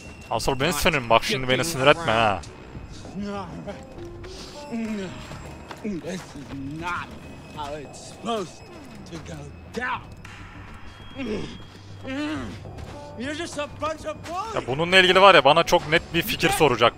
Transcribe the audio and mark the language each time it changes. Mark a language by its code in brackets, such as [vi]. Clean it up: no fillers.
[tr] Asıl ben senin, bak şimdi beni sinir etme ha. [en] This is not how it's supposed to go down. You're just a bunch of bullies. [tr] Ya bununla ilgili var ya, bana çok net bir fikir soracak.